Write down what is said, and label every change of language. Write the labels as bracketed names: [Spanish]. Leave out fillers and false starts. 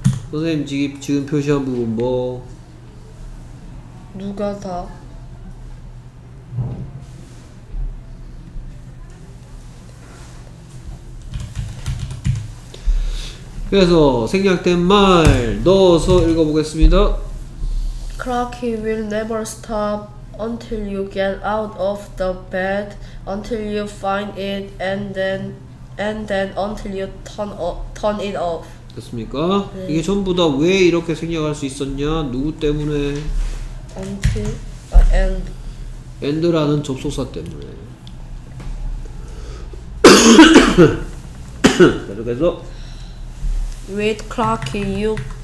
[Korean] 선생님 지금 표시한 부분 뭐 누가 다 그래서 생략된 말 넣어서 읽어보겠습니다. [English] Clock will never stop until you get out of the bed, until you find it, and then until you turn it off. [Korean] 됐습니까? 네. 이게 전부 다 왜 이렇게 생략할 수 있었냐? 누구 때문에? [English] Until and. [Korean] And라는 접속사 때문에. 계속해서. [English] Wait, clock, you.